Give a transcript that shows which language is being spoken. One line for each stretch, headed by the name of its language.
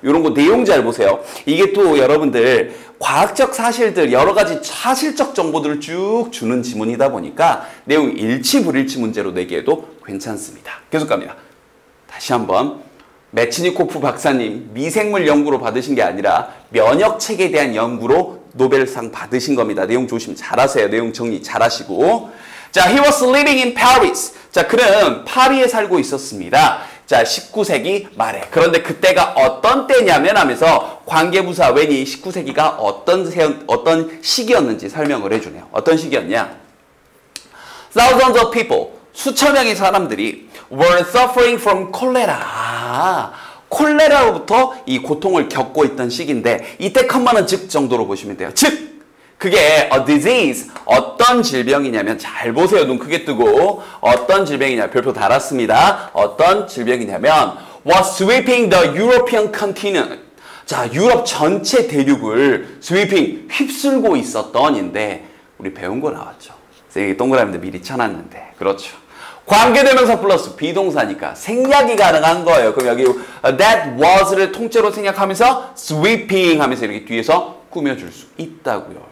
Korean: 이런 거 내용 잘 보세요. 이게 또 여러분들 과학적 사실들, 여러 가지 사실적 정보들을 쭉 주는 지문이다 보니까 내용 일치 불일치 문제로 내기에도 괜찮습니다. 계속 갑니다. 다시 한번 매치니코프 박사님 미생물 연구로 받으신 게 아니라 면역체계에 대한 연구로 노벨상 받으신 겁니다. 내용 조심 잘하세요. 내용 정리 잘하시고 자,
English: he was living in Paris.
Korean: 자, 그는 파리에 살고 있었습니다. 자, 19세기 말에. 그런데 그때가 어떤 때냐면 하면서 관계부사 웬이 19세기가 어떤 시기였는지 설명을 해주네요. 어떤 시기였냐?
English: Thousands of people.
Korean: 수천 명의 사람들이
English: were suffering from cholera.
Korean: 콜레라로부터 이 고통을 겪고 있던 시기인데 이때 컴마는 즉 정도로 보시면 돼요. 즉 그게 a disease 어떤 질병이냐면 잘 보세요. 눈 크게 뜨고 어떤 질병이냐 별표 달았습니다. 어떤 질병이냐면
English: was sweeping the European continent.
Korean: 자, 유럽 전체 대륙을 sweeping 휩쓸고 있었던인데 우리 배운 거 나왔죠. 선생님이 동그라미인데 미리 쳐놨는데 그렇죠. 관계대명사 플러스 비동사니까 생략이 가능한 거예요. 그럼 여기
English: that was
Korean: 를 통째로 생략하면서 sweeping 하면서 이렇게 뒤에서 꾸며줄 수 있다고요.